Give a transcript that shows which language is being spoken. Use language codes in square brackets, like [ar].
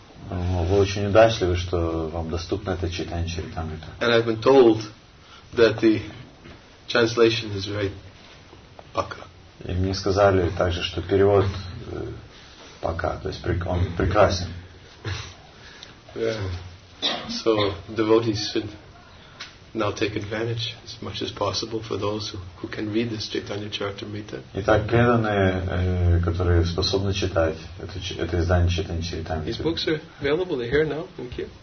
[ru] Вы очень удачливы, что вам доступна эта Чайтанья Чаритамрита. [en] And I've been told that the translation is very pukka. [ru] И мне сказали также, что перевод пока, то есть он прекрасен. [en] So devotees should now take advantage as much as possible for those who can read this Chaitanya Charitamrita. [ru] Итак, преданные, которые способны читать это издание Chaitanya Charitamrita. [en] These books are available here now, thank you.